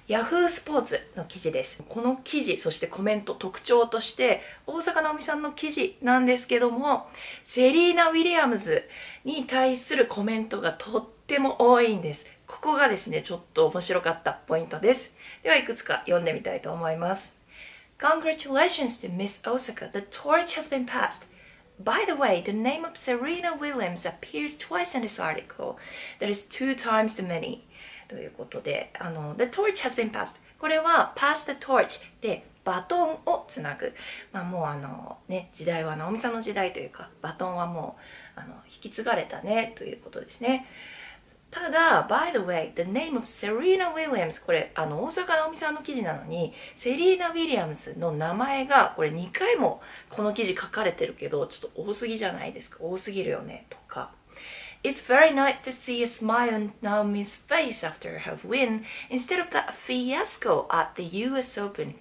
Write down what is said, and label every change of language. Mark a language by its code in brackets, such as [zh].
[ja] Yahoo スポーツの記事です。この記事、そしてコメント、特徴として大坂なおみさんの記事なんですけども、セリーナ・ウィリアムズに対するコメントがとっても多いんです。ここがですね、ちょっと面白かったポイントです。ではいくつか読んでみたいと思います。 [en] Congratulations to Miss Osaka, the torch has been passedBy the way, the name of Serena Williams appears twice in this article. That is two times the many. ということで、 The torch has been passed. [ja] これは pass the torch でバトンをつなぐ。まあもうね、時代はナオミさんの時代というか、バトンはもう引き継がれたねということですね。ただ、 by the way, the name of Serena Williams、これ大坂なおみさんの記事なのに、セリーナ・ウィリアムズの名前がこれ2回もこの記事書かれてるけど、ちょっと多すぎじゃないですか、多すぎるよねとか、 It's very nice to see a smile on Naomi's face after her win instead of that fiasco at the US Open.